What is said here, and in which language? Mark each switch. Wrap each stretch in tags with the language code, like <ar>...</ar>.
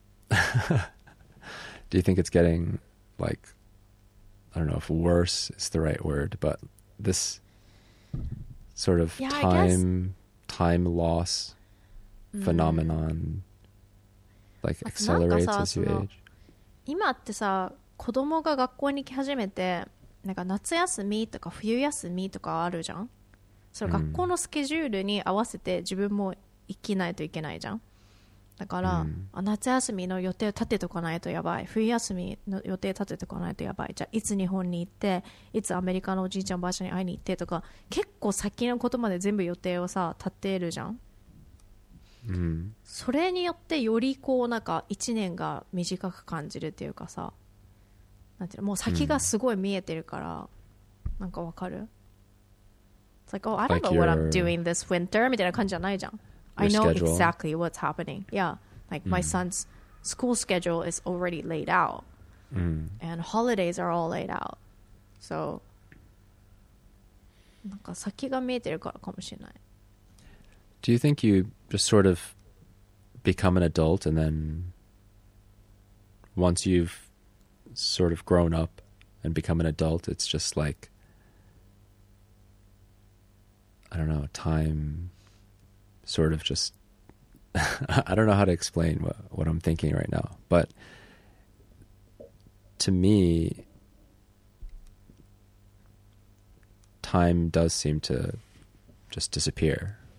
<en>Do you think it's getting, like, I don't know if worse is the right word, but this sort of time loss phenomenon, like, accelerates as you age?</en> <ja>今ってさ、子供が学校に来始めて、なんか夏休みとか冬休みとかあるじゃん。その学校のスケジュールに合わせて自分も行きないといけないじゃん。だから、夏休みの予定立てとかないとやばい、冬休みの予定立てとかないとやばい、じゃあいつ日本に行って、いつアメリカのおじいちゃんばあちゃんに会いに行ってとか、結構先のことまで全部予定をさ立てるじゃん。それによってよりこうなんか1年が短く感じるっていうかさ、なんていうの、もう先がすごい見えてるから、なんかわかる？</ja> <en>It's like, oh, I don't know what I'm doing this winter</en> <ja>みたいな感じじゃないじゃん。</ja> <en>I know exactly what's happening. Yeah, like my son's school schedule is already laid out. And holidays are all laid out.</en> <ja>So, なんか先が見えてるからかもしれない。</ja> <en>Do you think you just sort of become an adult and then once you've sort of grown up and become an adult, it's just like, I don't know, time sort of just, I don't know how to explain what I'm thinking right now, but to me, time does seem to just disappear.</en>